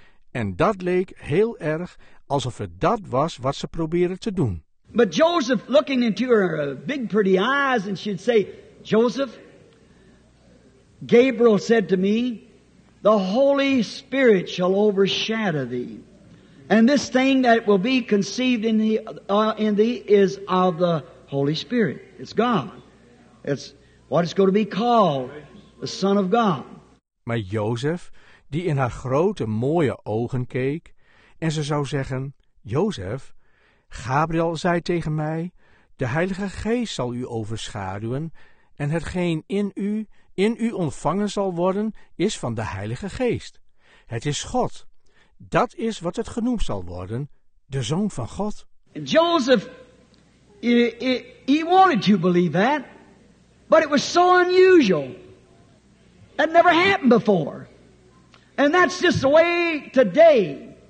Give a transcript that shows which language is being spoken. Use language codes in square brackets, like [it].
[nl] En dat leek heel erg alsof het dat was wat ze probeerde te doen. [en] But Joseph, looking into her big pretty eyes, and she'd say, Joseph, Gabriel said to me, the Holy Spirit shall overshadow thee. And this thing that will be conceived in thee is of the Holy Spirit. It's God. It's what it's going to be called, the Son of God. [nl] Maar Jozef, die in haar grote mooie ogen keek, en ze zou zeggen, Jozef, Gabriel zei tegen mij, de Heilige Geest zal u overschaduwen, en hetgeen in u ontvangen zal worden, is van de Heilige Geest. Het is God. Dat is wat het genoemd zal worden, de Zoon van God. [en] Joseph, he wanted to believe that, but it was so unusual. It never happened before. And that's just the way today.